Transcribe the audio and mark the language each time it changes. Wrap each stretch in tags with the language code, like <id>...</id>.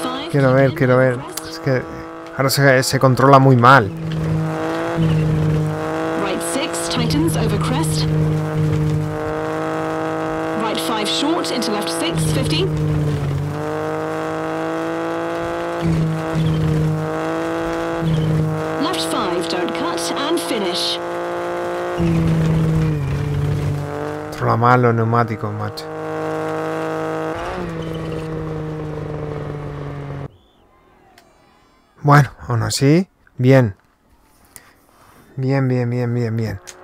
<es>Quiero ver, quiero ver. Es que ahora se controla muy mal.</es> <en>Right 6, tightens over crest. Right 5 short into left 6, 50. Left 5, don't cut and finish.</en> <es>La mala los neumáticos, macho. Bueno, aún así, bien. Bien, bien, bien, bien, bien.</es>